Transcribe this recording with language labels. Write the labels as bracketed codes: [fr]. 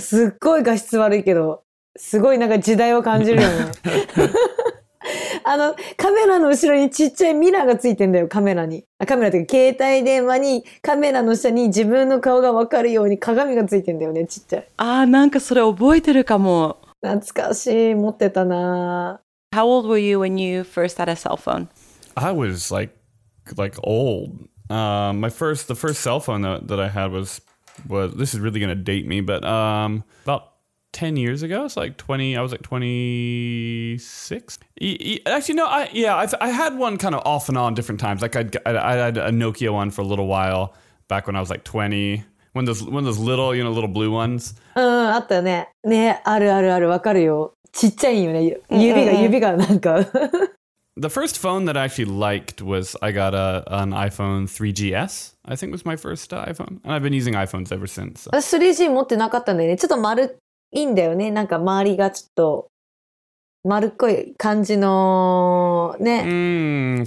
[ja] すっごい画質悪いけど、すごいなんか時代を感じるよね。あの、カメラの後ろにちっちゃいミラーがついてんだよ、カメラに。あ、カメラっていうか、携帯電話にカメラの下に自分の顔が分かるように鏡がついてんだよね、ちっちゃい。あー、なんかそれ覚えてるかも。懐かしい、持ってたな。 [en] How old were you when you first had a cell phone? I was like old. The first cell phone that I had was, this is really gonna date me, but about 10 years ago, it's like 20, I was like 26. Actually, no, I had one kind of off and on different times. Like I had a Nokia one for a little while back when I was like 20. When those little, you know, little blue ones. [ja] あったね。ね、あるあるある、わかるよ。ちっちゃいよね。指がなんか。 [en] The first phone that I actually liked was I got an iPhone 3GS, I think was my first iPhone. And I've been using iPhones ever since. So. [ja] 3G 持ってなかったんだよね。ちょっと丸っいいんだよね。なんか周りがちょっと丸っこい感じのね。